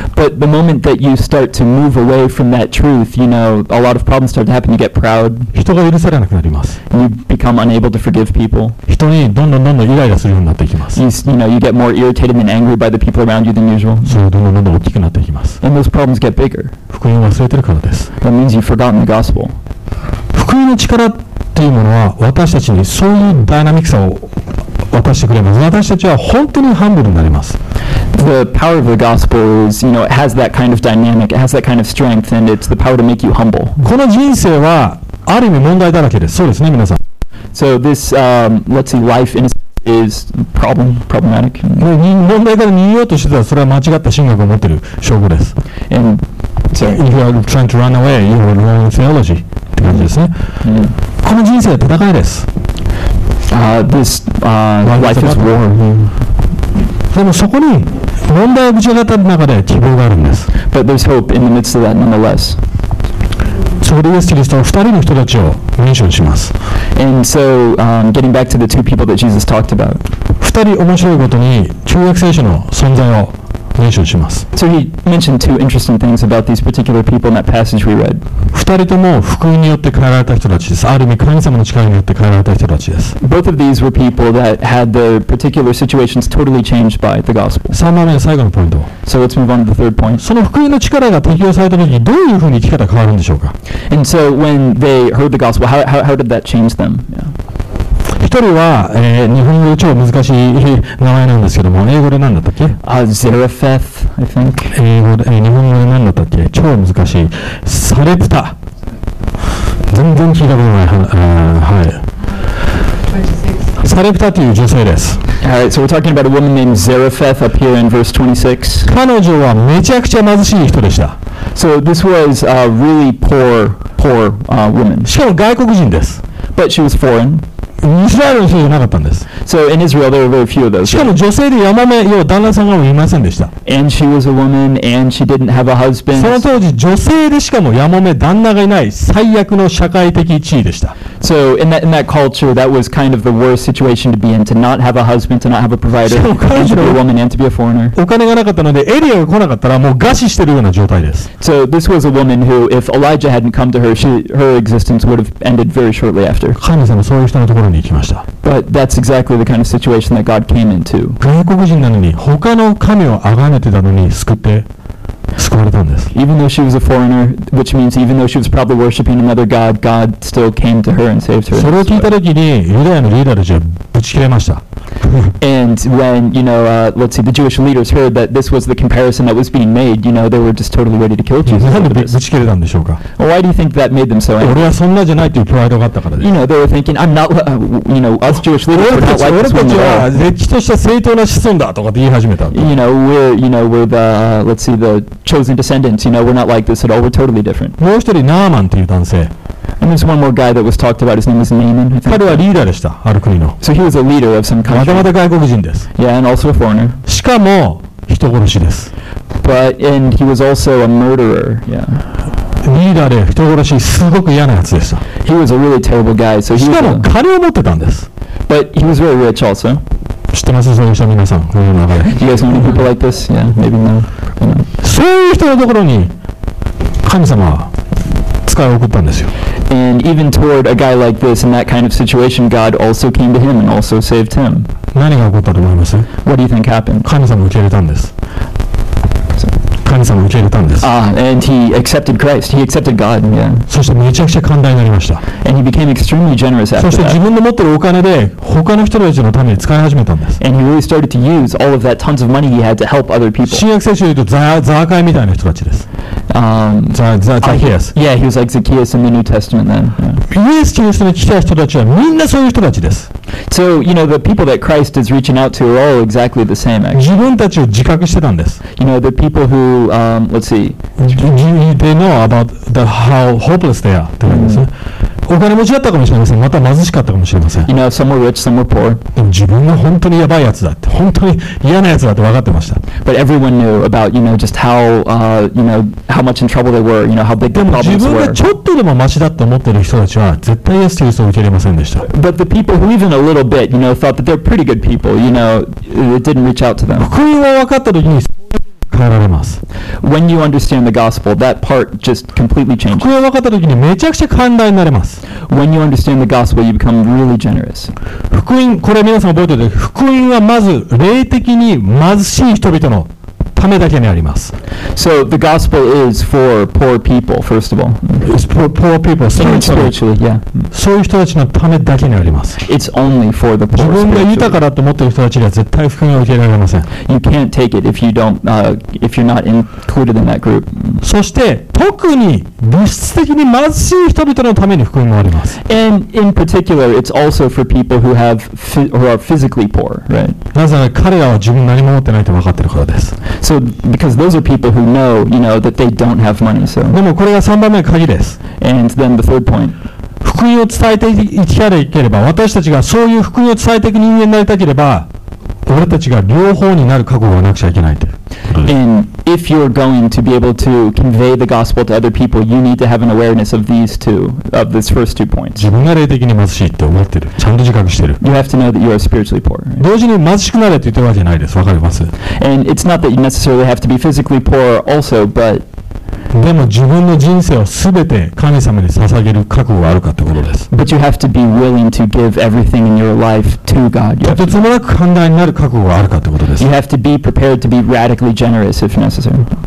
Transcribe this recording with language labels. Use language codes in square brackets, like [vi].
[en] But the moment that you start to move away from that truth, you know, a lot of problems start to happen. You get proud. [ja] 人が許されなくなります。 [en] You become unable to forgive people. [ja] 人にどんどんどんどんイライラするようになっていきます。 [en] You know, you get more irritated and angry by the people around you than usual. [ja] そう、どんどんどんどん大きくなっていきます。 [en] And those problems get bigger. [ja] 福音を忘れてるからです。 [en] That means you've forgotten the gospel. [ja] 福音の力っていうものは私たちにそういうダイナミクさを渡してくれます。私たちは本当にハンブルになります。 [en] The power of the gospel is, you know, it has that kind of dynamic, it has that kind of strength, and it's the power to make you humble. [ja] この人生はある意味問題だらけです。そうですね、皆さん。 [en] So this, let's see, life in a is problematic. [ja] 問題から逃げようとしてたらそれは間違った神学を持ってる証拠です。 [en] And so, if you are trying to run away, you are wrong in theology. [ja] って感じですね。 Mm-hmm. この人生は戦いです。 [en] Life is war. [ja] でもそこに問題をぶち当たる中で希望があるんです。 [en] But there's hope in the midst of that nonetheless. [ja] そこでイエス・キリストは二人の人たちをメンションします。 [en] And so, getting back to the two people that Jesus talked about. [ja] 二人面白いことに旧約聖書の存在を検証します。 [en] So he mentioned two interesting things about these particular people in that passage we read. [ja] 二人とも福音によって変えられた人たちです。ある意味神様の力によって変えられた人たちです。 [en] Both of these were people that had their particular situations totally changed by the gospel. [ja] 三番目の最後のポイント。 [en] So let's move on to the third point. [ja] その福音の力が適用された時にどういうふうに生き方変わるんでしょうか。 [en] And so when they heard the gospel, how did that change them? [ja] 一人は、日本語で超難しい名前なんですけども、英語で何だったっけ？ [en] ゼレフェフ、I think。 [ja] 英語で、日本語で何だったっけ？超難しい。サレプタ。全然聞いたことない。はい。サレプタという女性です。 [en] Alright, so we're talking about a woman named Zarephath up here in verse 26. [ja] 彼女はめちゃくちゃ貧しい人でした。 [en] So this was a really poor, woman. [ja] しかも外国人です。 [en] But she was foreign. [ja] イスラエルの人じゃなかったんです。 [en] So in Israel, there were very few of those. [ja] しかも女性でヤマメ、要は旦那さんがいませんでした。 [en] And she was a woman, and she didn't have a husband. [ja] その当時、女性でしかもヤマメ、旦那がいない最悪の社会的地位でした。 [en] So in that culture, that was kind of the worst situation to be in, to not have a husband, to not have a provider, and to be a woman, and to be a foreigner. [ja] お金がなかったので、エリアが来なかったらもう餓死してるような状態です。 [en] So this was a woman who, if Elijah hadn't come to her, her existence would have ended very shortly after. [ja] 神様、そういう人のところに行きました。 [en] But that's exactly the kind of situation that God came into. [ja] 外国人なのに他の神を崇めてたのに救われたんです。 [en] Even though she was a foreigner, which means even though she was probably worshiping another god, God still came to her and saved her. [ja] それを聞いた時にユダヤのリーダーたちはぶち切れました。 [en] And when, you know, let's see, the Jewish leaders heard that this was the comparison that was being made, you know, they were just totally ready to kill Jesus. [ja] なんでぶち切れたんでしょうか? [en] Why do you think that made them so angry? [ja] 俺はそんなじゃないというプライドがあったからです。 [en] You know, they were thinking, I'm not, you know, us Jewish leaders were not like this one at all. [ja] 俺たちは歴史として正当な子孫だとかって言い始めた。 [en] You know, we're the, let's see, the chosen descendants, you know, we're not like this at all, we're totally different. [ja] もう一人、ナーマンという男性。 [en] And there's one more guy that was talked about. His name is Naaman. [ja] 彼はリーダーでした。ある国の。 [en] So he was a leader of some country. [ja] またまた外国人です。 [en] Yeah, and also a foreigner. [ja] しかも人殺しです。 [en] But and he was also a murderer. Yeah. [ja] リーダーで人殺しすごく嫌なやつでした。 [en] He was a really terrible guy. So he. [ja] しかも金を持ってたんです。 [en] But he was very rich also. [ja] 知ってますそういう人皆さん。 [en] Do you guys know people like this? Yeah, maybe not. [ja] そういう人のところに神様は使いを送ったんですよ。 [en] And even toward a guy like this in that kind of situation, God also came to him and also saved him. [ja] 何が起こったと思います? [en] What do you think happened? [ja] 神様を受け入れたんです。神様を受け入れたんです。 [en] And he accepted Christ. He accepted God. Yeah. [ja] そしてめちゃくちゃ寛大になりました。 [en] And he became extremely generous after that. [ja] そして自分の持ってるお金で他の人たちのために使い始めたんです。 [en] And he really started to use all of that tons of money he had to help other people. [ja] 新約聖書で言うとザーカイみたいな人たちです。 [en] Zacchaeus. Yeah, he was like Zacchaeus in the New Testament then. Yeah. So, you know, the people that Christ is reaching out to are all exactly the same, actually. You know, the people who, let's see. They know about how hopeless they are. [ja] お金持ちだったかもしれません。また貧しかったかもしれません。 [en] You know, some were rich, some were poor. [ja] でも自分が本当にやばいやつだって、本当に嫌なやつだって分かってました。 [en] But everyone knew about, you know, just how, you know, how much in trouble they were, you know, how big the problems were. [ja] でも自分がちょっとでもマシだと思ってる人たちは絶対イエス・キリストを受け入れませんでした。 [en] But the people who even a little bit, you know, thought that they're pretty good people, you know, it didn't reach out to them. [ja] 福音を分かった時に変えられます。 [en] When you understand the gospel, that part just completely changes. [ja] 福音を分かった時にめちゃくちゃ寛大になれます。 [en] When you understand the gospel, you become really generous. [ja] 福音、これ皆さん覚えておいて、福音はまず霊的に貧しい人々のためだけにあります。 [en] So the gospel is for poor people, first of all. It's for poor people, spiritually, yeah. [ja] そういう人たちのためだけにあります。 [en] It's only for the poor. [ja] 自分が豊かだと思っている人たちには絶対福音を受けられません。 [en] You can't take it if you don't, if you're not included in that group. [ja] そして特に物質的に貧しい人々のために福音もあります。 [en] And in particular, it's also for people who have who are physically poor, right? [ja] なぜなら彼らは自分何も持ってないと分かっているからです。 [en] So because those are people who know, you know, that they don't have money. So. [ja] でもこれが三番目の鍵です。 [en] And then the third point. [ja] 福音を伝えていきたければ、私たちがそういう福音を伝えていく人間になりたければ、俺たちが両方になる覚悟がなくちゃいけないって。 [en] And if you're going to be able to convey the gospel to other people, you need to have an awareness of these two, of these first two points. [ja] 自分が霊的に貧しいって思ってる。ちゃんと自覚してる。 [en] You have to know that you are spiritually poor. [ja] 同時に貧しくなれって言ってるわけじゃないです。わかります。 [en] And it's not that you necessarily have to be physically poor also, but [ja] でも自分の人生をすべて神様に捧げる覚悟があるかということです。 [en] But you have to be willing to give everything in your life to God. [ja] とてつもなく寛大になる覚悟があるかということです。 [en] You have to be prepared to be radically generous if necessary.